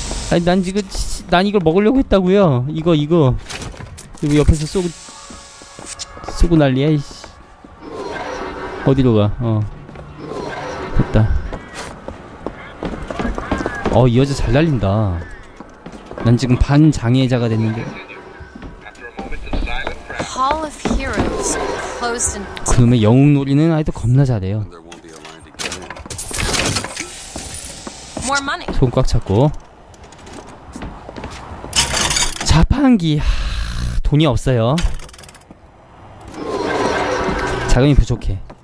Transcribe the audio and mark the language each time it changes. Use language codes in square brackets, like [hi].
[ko] 아니, 난 지금, 난 이걸 먹으려고 했다고요. 이거. 이거 옆에서 쏘고 난리야, 이씨. 어디로 가? 어. 됐다. 어, 이 여자 잘 날린다. 난 지금 반 장애자가 됐는데. [en] Hall of Heroes closed in. [ko] 그놈의 영웅 놀이는 아직도 겁나 잘해요. [en] More money. [ko] 손 꽉 잡고. 자판기. 하, 돈이 없어요. 자금이 부족해.